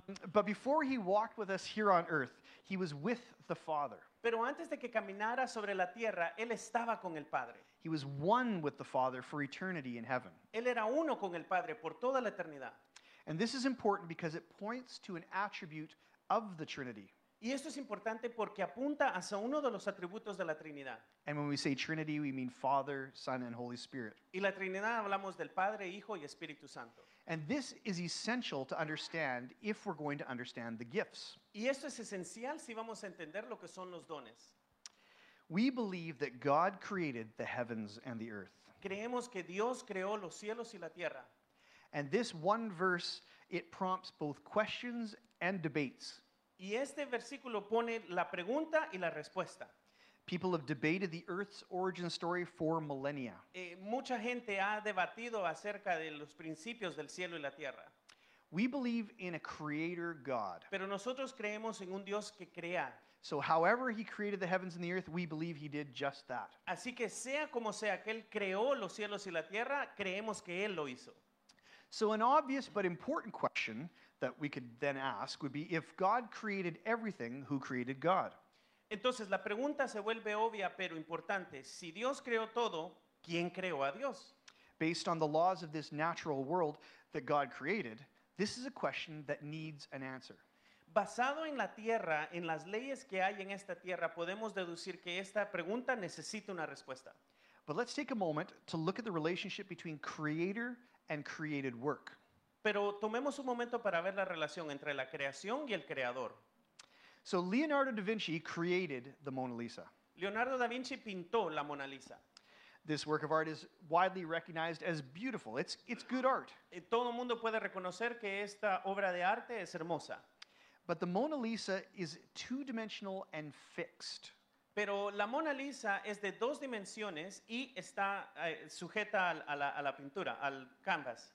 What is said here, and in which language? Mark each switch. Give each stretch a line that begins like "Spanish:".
English: But before he walked with us here on earth, he was with the Father.
Spanish: Pero antes de que caminara sobre la tierra, él estaba con el Padre.
English: He was one with the Father for eternity in heaven.
Spanish: Él era uno con el Padre por toda la eternidad.
English: And this is important because it points to an attribute of the Trinity.
Spanish: Y esto es importante porque apunta hacia uno de los atributos de la Trinidad.
English: And when we say Trinity, we mean Father, Son, and Holy Spirit.
Spanish: Y la Trinidad hablamos del Padre, Hijo, y Espíritu Santo.
English: And this is essential to understand if we're going to understand the gifts.
Spanish: Y esto es esencial si vamos a entender lo que son los dones.
English: We believe that God created the heavens and the earth.
Spanish: Creemos que Dios creó los cielos y la tierra.
English: And this one verse, it prompts both questions and debates.
Spanish: Y este versículo pone la pregunta y la respuesta.
English: People have debated the earth's origin story for millennia.
Spanish: Mucha gente ha debatido acerca de los principios del cielo y la tierra.
English: We believe in a creator God.
Spanish: Pero nosotros creemos en un Dios que crea.
English: So however he created the heavens and the earth, we believe he did just that.
Spanish: Así que sea como sea que él creó los cielos y la tierra, creemos que él lo hizo.
English: So an obvious but important question that we could then ask would be, if God created everything, who created God?
Spanish: Entonces la pregunta se vuelve obvia pero importante. Si Dios creó todo, ¿quién creó a Dios?
English: Based on the laws of this natural world that God created, this is a question that needs an answer.
Spanish: Basado en la tierra, en las leyes que hay en esta tierra, podemos deducir que esta pregunta necesita una respuesta.
English: But let's take a moment to look at the relationship between creator and created work.
Spanish: Pero tomemos un momento para ver la relación entre la creación y el creador.
English: So Leonardo da Vinci created the Mona Lisa.
Spanish: Leonardo da Vinci pintó la Mona Lisa.
English: This work of art is widely recognized as beautiful. It's good art.
Spanish: Todo el mundo puede reconocer que esta obra de arte es hermosa.
English: But the Mona Lisa is two-dimensional and fixed.
Spanish: Pero la Mona Lisa es de dos dimensiones y está sujeta a la pintura, al canvas.